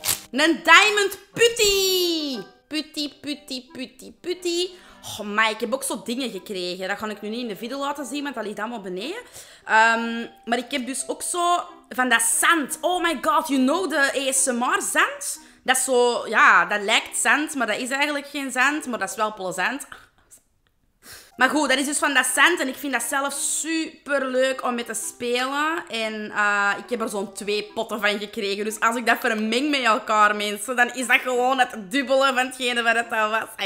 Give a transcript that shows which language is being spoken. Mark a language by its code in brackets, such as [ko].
[nl] Een diamond putty. Putty, putty, putty, putty. Oh, maar ik heb ook zo dingen gekregen. Dat ga ik nu niet in de video laten zien, want dat ligt allemaal beneden. Maar ik heb dus ook zo van dat zand. [en] Oh my god, you know the ASMR zand? [nl] Dat is zo, ja, dat lijkt zand, maar dat is eigenlijk geen zand. Maar dat is wel plezant. Maar goed, dat is dus van dat zand. En ik vind dat zelf super leuk om mee te spelen. En ik heb er zo'n 2 potten van gekregen. Dus als ik dat vermeng met elkaar, mensen, dan is dat gewoon het dubbele van hetgene wat het al was.